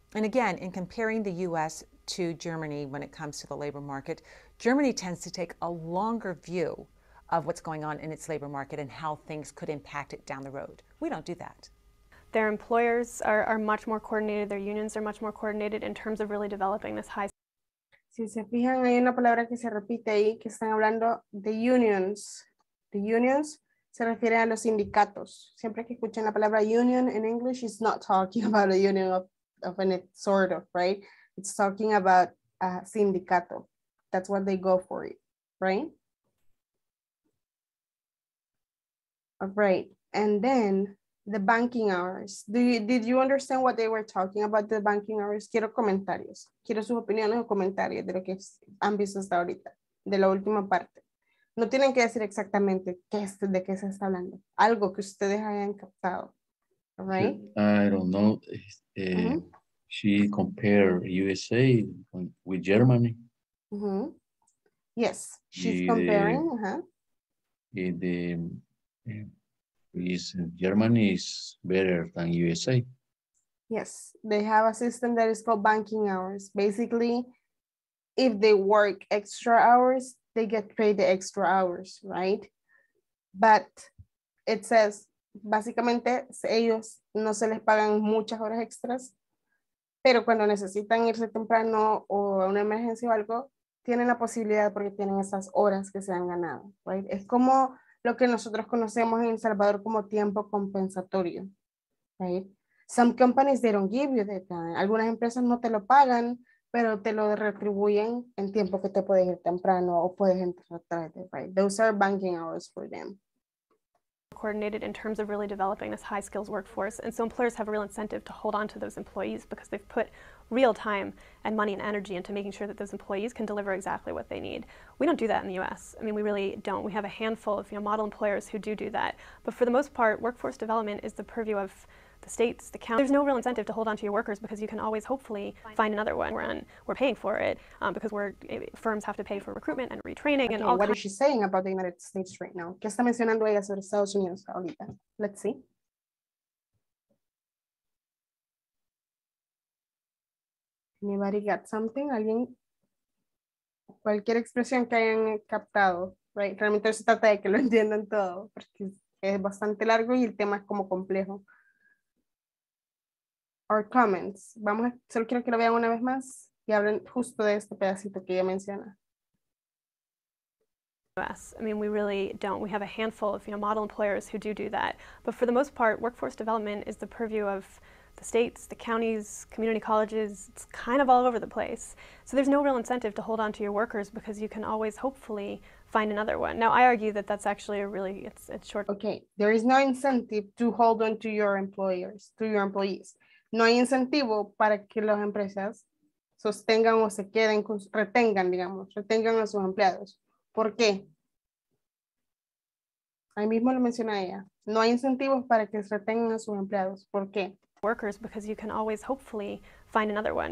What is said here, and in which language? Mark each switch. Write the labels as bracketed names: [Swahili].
[English] And again, in comparing the US to Germany when it comes to the labor market, Germany tends to take a longer view of what's going on in its labor market and how things could impact it down the road. We don't do that. Their employers are much more coordinated, their unions are much more coordinated in terms of really developing this high. [Spanish] Si se fijan, hay una palabra que se repite ahí, que están hablando de unions. [English] The unions [Spanish] se refiere a los sindicatos. Siempre que escuchen la palabra [English] union in English, it's not talking about a union of any sort of, right? It's talking about a sindicato. That's what they go for it, right? All right. And then the banking hours. Did you understand what they were talking about, the banking hours? [Spanish] Quiero comentarios. Quiero sus opiniones o comentarios de lo que han visto hasta ahorita, de la última parte. No tienen que decir exactamente de qué se está hablando. Algo que ustedes hayan captado. All right? [English] I don't know. She compared USA with Germany. Mm-hmm. Yes, she's comparing. In the is Germany is better than USA. Yes, they have a system that is called banking hours. Basically, if they work extra hours, they get paid the extra hours, right? But it says, [Spanish] básicamente, ellos no se les pagan muchas horas extras, pero cuando necesitan irse temprano o a una emergencia o algo, tienen la posibilidad porque tienen esas horas que se han ganado, right? Es como lo que nosotros conocemos en El Salvador como tiempo compensatorio, right? [English] Some companies, they don't give you that time. [Spanish] Algunas empresas no te lo pagan, pero te lo retribuyen en tiempo que te puedes ir temprano o puedes entrar tarde, right? [English] Those are banking hours for them. Coordinated in terms of really developing this high skills workforce, and so employers have a real incentive to hold on to those employees because they've put real time and money and energy into making sure that those employees can deliver exactly what they need. We don't do that in the US. I mean, we really don't. We have a handful of, you know, model employers who do that, but for the most part, workforce development is the purview of the states, the county. There's no real incentive to hold on to your workers because you can always hopefully find another one. We're paying for it because firms have to pay for recruitment and retraining. Okay, and all. What is she saying about the United States right now? [Spanish] ¿Qué está mencionando ella sobre Estados Unidos ahorita? [English] Let's see. Anybody got something? [Spanish] Alguien, cualquier expresión que hayan captado, right? Realmente se trata de que lo entiendan todo, porque es bastante largo y el tema es como complejo. [English] Our comments. [Spanish] Vamos a, solo quiero que lo vean una vez más y hablen justo de este pedacito que ella menciona. [English] US. I mean, we really don't. We have a handful of, you know, model employers who do that. But for the most part, workforce development is the purview of the states, the counties, community colleges, it's kind of all over the place. So there's no real incentive to hold on to your workers because you can always hopefully find another one. Now, I argue that that's actually a really, it's short. Okay, there is no incentive to hold on to your employers, to your employees. [Spanish] No hay incentivo para que las empresas sostengan o se queden, retengan, digamos, retengan a sus empleados. ¿Por qué? Ahí mismo lo menciona ella. No hay incentivos para que se retengan a sus empleados. ¿Por qué? [English] Workers, because you can always hopefully find another one.